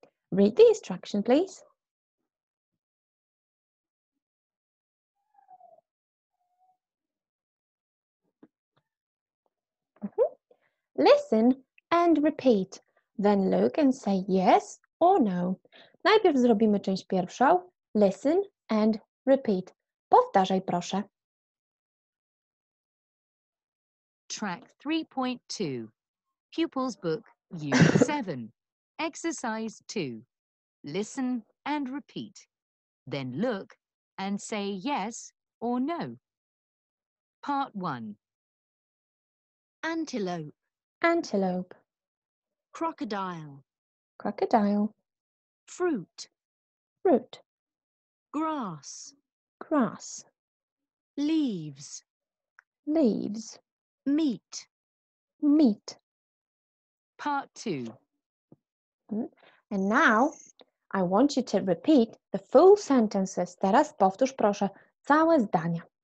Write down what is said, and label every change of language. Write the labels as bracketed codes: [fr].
[en] Read the instruction, please. Listen and repeat. Then look and say yes or no. [pl] Najpierw zrobimy część pierwszą. [en] Listen and repeat. [pl] Powtarzaj, proszę. [en] Track 3.2. Pupil's book, Unit 7. Exercise 2. Listen and repeat. Then look and say yes or no. Part 1. Antelope. Antelope. Crocodile. Crocodile. Fruit. Fruit. Grass. Grass. Leaves. Leaves. Meat. Meat. Part two. And now I want you to repeat the full sentences. [pl] Teraz powtórz proszę całe zdania.